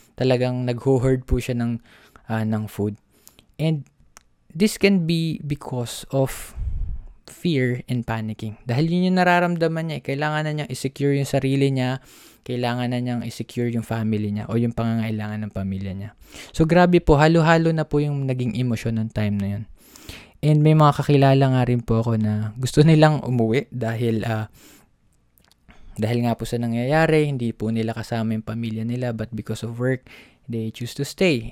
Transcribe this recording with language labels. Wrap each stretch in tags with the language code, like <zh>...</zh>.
<tl>Talagang nag-hoard po siya ng food.</tl> <en>And this can be because of fear and panicking.</en> <tl>Dahil yun yung nararamdaman niya. Kailangan na niyang isecure yung sarili niya. Kailangan na niyang isecure yung family niya o yung pangangailangan ng pamilya niya. So grabe po, halo-halo na po yung naging emosyon ng time na yun. And may mga kakilala nga rin po ako na gusto nilang umuwi dahil nga po sa nangyayari, hindi po nila kasama yung pamilya nila,</tl> <en>but because of work, they choose to stay.</en>